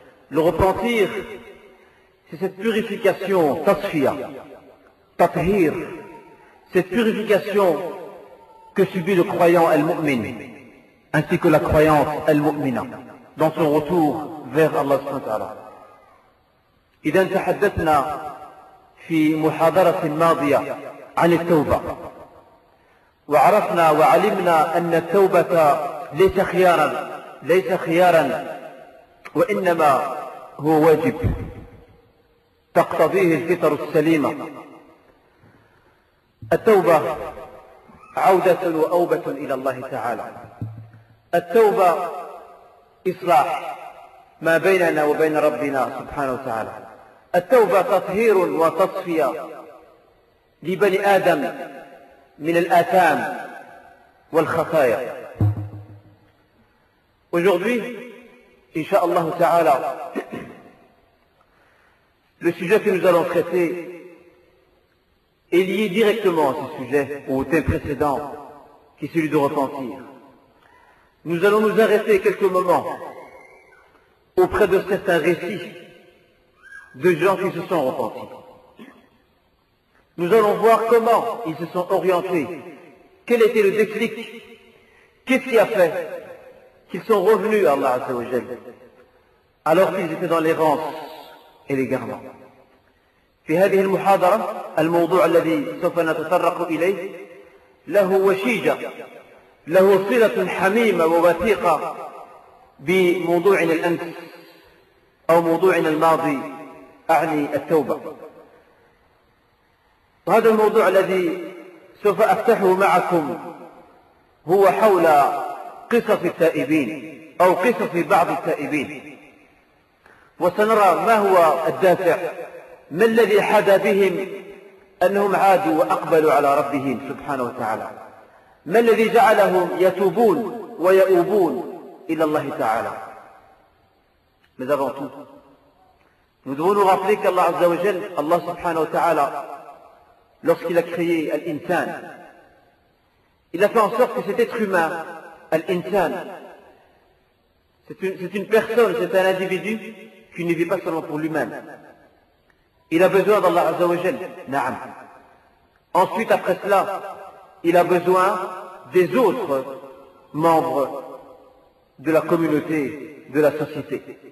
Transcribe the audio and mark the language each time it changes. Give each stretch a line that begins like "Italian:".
French: Le repentir, c'est cette purification, tasfiya, tathir, cette purification que subit le croyant al-mu'min, ainsi que la croyance al-mu'mina, dans son retour vers Allah subhanahu wa ta'ala.
Arabic: إذا تحدثنا في محاضرة ماضية عن التوبة، وعرفنا وعلمنا أن التوبة ليس خيارا، وإنما هو واجب تقتضيه الفطر السليمة. التوبة عودة وأوبة إلى الله تعالى. التوبة إصلاح ما بيننا وبين ربنا سبحانه وتعالى. التوبة تطهير وتصفية لبني آدم من الآثام والخطايا.
French: Aujourd'hui,
Arabic: إن شاء الله تعالى,
French: le sujet que nous allons traiter est lié directement à ce sujet ou au thème précédent qui est celui de repentir. Nous allons nous arrêter quelques moments auprès de certains récits de gens qui se sont repentis. Nous allons voir comment ils se sont orientés, quel était le déclic, qu'est-ce qui a fait qu'ils sont revenus à Allah Azza wa Jal alors qu'ils étaient dans l'errance et l'égarement.
Arabic: في هذه المحاضرة الموضوع الذي سوف نتطرق إليه له وشيجة، له صلة حميمة ووثيقة بموضوعنا الأمس أو موضوعنا الماضي، أعني التوبة. وهذا الموضوع الذي سوف أفتحه معكم هو حول قصص التائبين أو قصص بعض التائبين، وسنرى ما هو الدافع، ما الذي حدا بهم أنهم عادوا وأقبلوا على ربهم سبحانه وتعالى، ما الذي جعلهم يتوبون ويؤوبون إلى الله تعالى. ماذا غطوا؟ نذون غفلك الله عز وجل. الله سبحانه وتعالى
French: lorsqu'il a créé l'insan, il a fait en sorte que cet être humain, l'insan, c'est une personne, c'est un individu qui ne vit pas seulement pour lui-même. Il a besoin d'Allah Azza wa Jal. Na'am. Ensuite, après cela, il a besoin des autres membres de la communauté de la société.